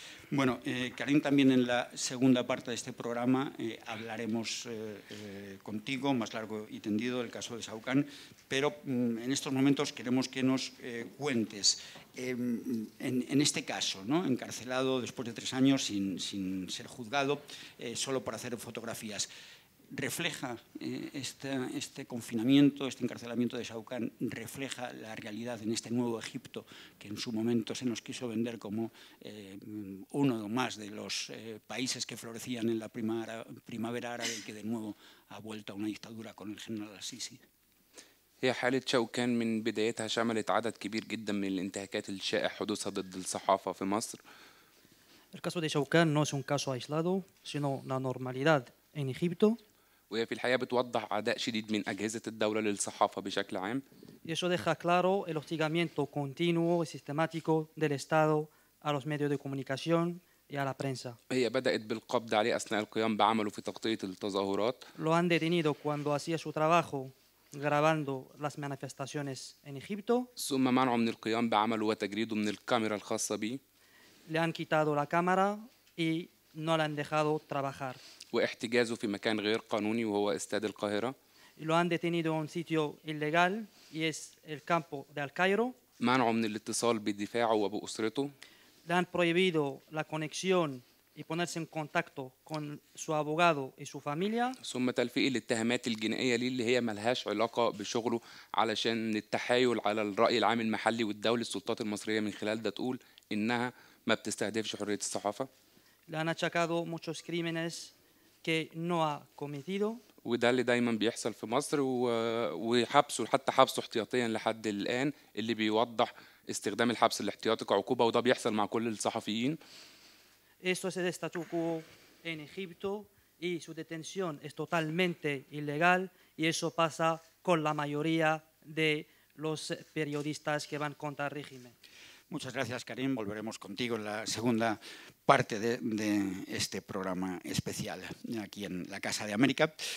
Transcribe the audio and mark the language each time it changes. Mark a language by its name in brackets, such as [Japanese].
[Spanish] Bueno, Karim, también en la segunda parte de este programa hablaremos contigo, más largo y tendido, del caso de Saucán, pero en estos momentos queremos que nos cuentes, en este caso, ¿no?, encarcelado después de 3 años sin ser juzgado, solo por hacer fotografías, ¿refleja este confinamiento, este encarcelamiento de Saucán, refleja la realidad en este nuevo Egipto que en su momento se nos quiso vender como uno o más de los países que florecían en la primavera árabe y que de nuevo ha vuelto a una dictadura con el general al-Sisi? [Arabic] هي حالة شوكان من بدايتها شملت عدد كبير جدا من الانتهاكات الشائعة حدوثها ضد الصحافة في مصر. [Spanish] El caso de Saucán no es un caso aislado, sino la normalidad en Egipto. [Arabic] وهي في الحقيقة بتوضح عداء شديد من أجهزة الدولة للصحافة بشكل عام. [Spanish] Y eso deja claro el hostigamiento continuo y sistemático del Estado a los medios de comunicación y a la prensa. [Arabic] هي بدأت بالقبض عليه أثناء القيام بعمله في تغطية التظاهرات. [Spanish] Lo han detenido cuando hacía su trabajo grabando las manifestaciones en Egipto. [Arabic] ثم منعه من القيام بعمله وتجريده من الكاميرا الخاصة به. [Spanish] Le han quitado la cámara y no le han dejado trabajar. [Arabic] واحتجازه في مكان غير قانوني وهو استاد القاهرة. [Spanish] Lo han detenido en un sitio ilegal y es el campo de Al Cairo. [Arabic] منعه من الاتصال بدفاعه وبأسرته. [Spanish] Le han prohibido la conexión y ponerse en contacto con su abogado y su familia. [Arabic] ثم تلفيق الاتهامات الجنائية ليه اللي هي ملهاش علاقة بشغله علشان التحايل على الرأي العام المحلي والدولي السلطات المصرية من خلال ده تقول إنها ما بتستهدفش حرية الصحافة. [Spanish] Le han achacado muchos crímenes que no ha cometido. [Arabic] وده اللي دايما بيحصل في مصر وحبسه حتى حبسه احتياطيا لحد الآن اللي بيوضح استخدام الحبس الاحتياطي كعقوبة وده بيحصل مع كل الصحفيين. [Spanish] Esto es el statu quo en Egipto y su detención es totalmente ilegal y eso pasa con la mayoría de los periodistas que van contra el régimen. Muchas gracias, Karim. Volveremos contigo en la segunda parte de este programa especial aquí en la Casa de América.